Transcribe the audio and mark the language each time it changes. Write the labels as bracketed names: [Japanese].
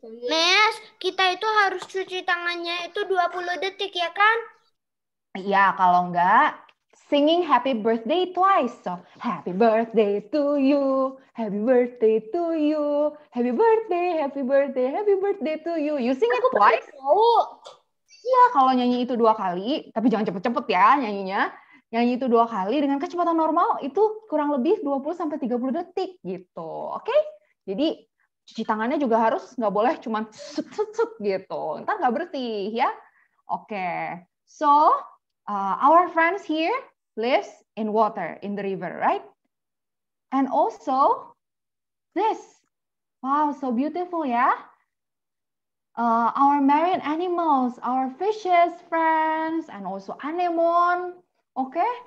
[Indonesian] Mes, kita itu harus cuci tangannya itu 20 detik ya kan? Ya, kalau enggak, [English] singing happy birthday twice. So, happy birthday to you, happy birthday to you, happy birthday, happy birthday, happy birthday to you. You sing it twice? [Indonesian] Iya, kalau nyanyi itu 2 kali, tapi jangan cepet-cepet ya nyanyinya. Nyanyi itu 2 kali dengan kecepatan normal, itu kurang lebih 20-30 detik gitu. Oke? Jadi, cuci tangannya juga harus nggak boleh cuma sut-sut-sut gitu. Ntar nggak bersih ya. Oke. [English] So, our friends here lives in water, in the river, right? And also, this. Wow, so beautiful, yeah? Our marine animals, our fishes, friends, and also anemone, okay?